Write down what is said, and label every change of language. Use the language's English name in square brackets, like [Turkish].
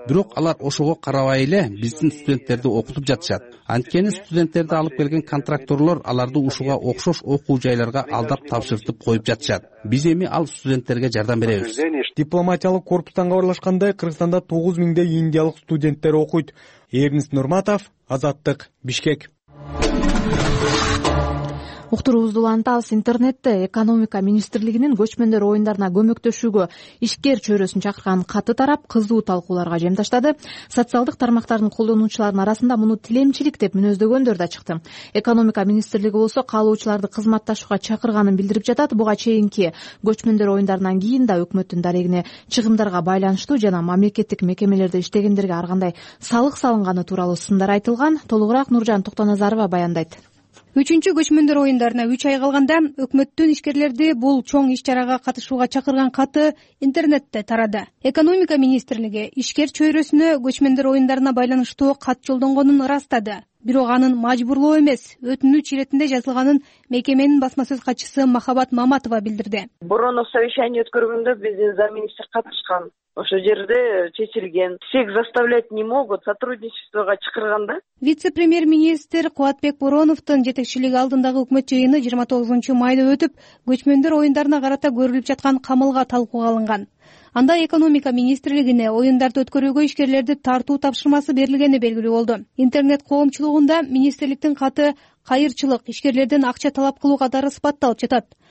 [Kyrgyz] Бирок алар ошого карабай эле биздин студенттерди окутуп жатышат. Анткени студенттерди алып келген контракторлор аларды ушуга окшош окуу жайларга алдап тапшыртып коюп жатышат. Биз эми ал студенттерге жардам беребиз. Дипломатиялык корпустан кабарлашкандай, Кыргызстанда 9000 индиялык студенттер окуйт. Эрнис Нурматов, Азаттык, Бишкек. Уктуруубузду улантабыз. Интернетте экономика министрлигинин көчмөндөр оюндарына көмөктөшүүгө ишкер чөйрөсүн чакырган каты тарап кызуу талкууларга жем таштады. Социалдык тармактардын колдонуучуларынын арасында муну тилемчилик деп мүнөздөгөндөр да чыкты. Экономика министрлиги болсо каалоочуларды кызматташууга чакырганын билдирип жатат. Буга чейинки көчмөндөр оюндарынан кийин да өкмөттүн дарегине чыгымдарга байланыштуу жана мамлекеттик мекемелерде иштегендерге ар кандай салык салынганы тууралуу сындар айтылган. Толугураак Нуржан Токтоназарова баяндайт. Үчүнчү көчмөндөр оюндарына 3 ай калганда өкмөттүн ишкерлерди бул чоң иш чарага катышууга чакырган каты интернетте тарады. Экономика министрлиги ишкер чөйрөсүнө көчмөндөр оюндарына байланыштуу кат жолдонгонун ырастады. Бирок анын мажбурлоо эмес, өтүнүч иретинде жазылганын мекеменин басма сөз катчысы Махабат Маматова билдирди. Бурун совещание өткөргөндө биздин замминистр катышкан. Ошо жерде чечилген. [Russian] Всех заставлять не могут, [Kyrgyz] сотрудничествого чакырганда. Вице-премьер-министр Кубатбек Буроновтун жетекчилиги алдындагы өкмөт жыйыны 29 майда өтүп, көчмөндөр оюндарына карата көрүлүп жаткан камылга талкууга алынган. Анда экономика министрлигине оюндарды өткөрүүгө ишкерлерди тартуу тапшырмасы берилгени белгилүү болду. Интернет коомчулугунда министрликтин каты кайырчылык, ишкерлерден акча талап кылууга дары сыпатталып жатат.